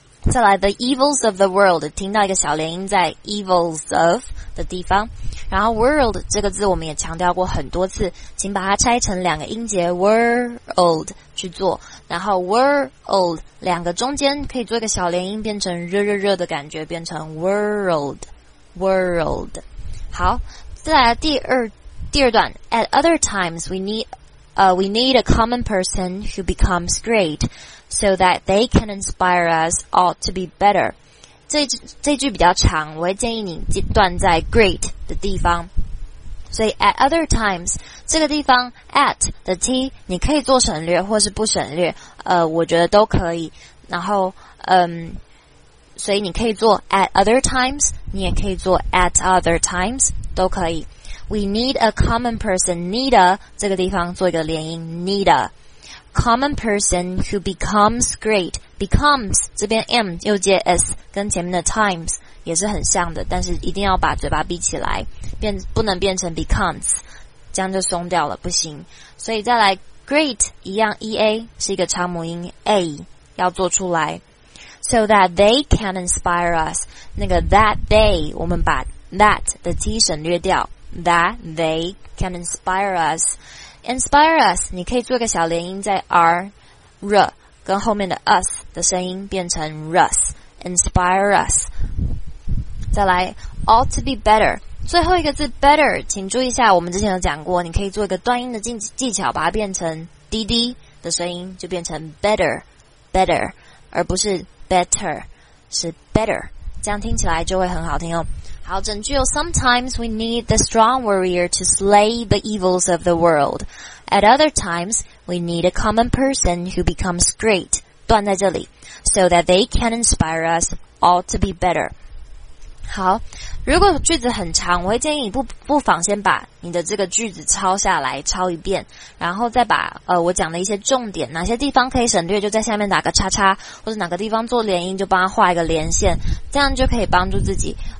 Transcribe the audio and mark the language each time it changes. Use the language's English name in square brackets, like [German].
[Chinese] 再来 [English] the evils of the world， [Chinese] 听到一个小连音在 evils of 的地方，然后 world 这个字我们也强调过很多次，请把它拆成两个音节 world 去做，然后 world 两个中间可以做一个小连音，变成热热热的感觉，变成 world。好，再来第二段 [English] ，At other times we need a common person who becomes great, so that they can inspire us all to be better。 [Chinese] 这句比较长，我会建议你断在 great 的地方。所以 [English] at other times [Chinese] 这个地方 at 的 t 你可以做省略或是不省略，我觉得都可以。然后所以你可以做 [English] at other times， [Chinese] 你也可以做 at other times。都可以。 [English] We need a common person. Need a [Chinese] 这个地方做一个连音。 [English] Need a common person who becomes great. [Chinese] Becomes 这边 m 又接 s， 跟前面的 times 也是很像的，但是一定要把嘴巴闭起来，不能变成 becomes， 这样就松掉了，不行。所以再来 great 一样 e a 是一个长母音 a 要做出来。 [English] So that they can inspire us， [Chinese] 那个 [English] that they [Chinese] 我们把。 [English] That 的 T [Chinese] 省略掉 [English] ，That they can inspire us. Inspire us， [Chinese] 你可以做个小连音在 R， R 跟后面的 us 的声音变成 us。 [English] Inspire us。 [Chinese] 再来 [English] ，all to be better。 [Chinese] 最后一个字 better， 请注意一下，我们之前有讲过，你可以做一个断音的技巧，把它变成 DD 的声音，就变成 better， 而不是 better， 是 better。这样听起来就会很好听哦。好，整句哦。 [English] Sometimes we need the strong warrior to slay the evils of the world. At other times, we need a common person who becomes great. [Chinese] 断在这里。 [English] So that they can inspire us all to be better. [Chinese] 好，如果句子很长，我会建议你不妨先把你的这个句子抄下来，抄一遍，然后再把我讲的一些重点，哪些地方可以省略，就在下面打个叉叉，或者哪个地方做连音，就帮他画一个连线，这样就可以帮助自己。